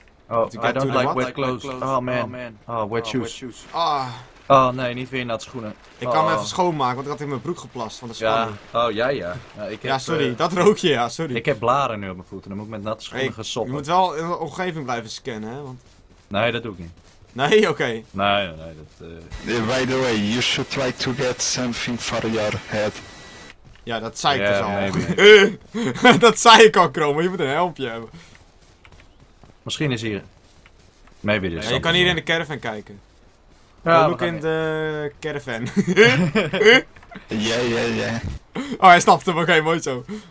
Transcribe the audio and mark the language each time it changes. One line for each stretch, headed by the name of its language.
English: Oh, I don't like wet clothes. Oh, man. Wet shoes. Ah.
Dutch: Oh nee, niet weer in natte schoenen. Ik kan hem even schoonmaken, want ik had in mijn broek geplast van de spanning. Ja. Oh ja. Ik heb, ja, sorry, dat rook je, ja, sorry. Ik heb blaren nu op mijn voeten, dan moet ik met natte schoenen gaan soppen. Je moet wel in de omgeving blijven scannen, hè, want... Nee, dat doe ik niet. Nee, oké. Okay. Nee, dat...
English: By the way, you should try to get something for your head.
Dutch: Ja, dat zei ik dus al.
English: Maybe.
Dutch: Dat zei ik al, Kromer, je moet een helmpje hebben. Misschien is hier...
English: Maybe this.
Dutch: Ja, je kan hier in de caravan kijken. Ja,
English: look
Dutch: in de caravan. Ja. Oh, hij snapt hem. Oké, mooi zo.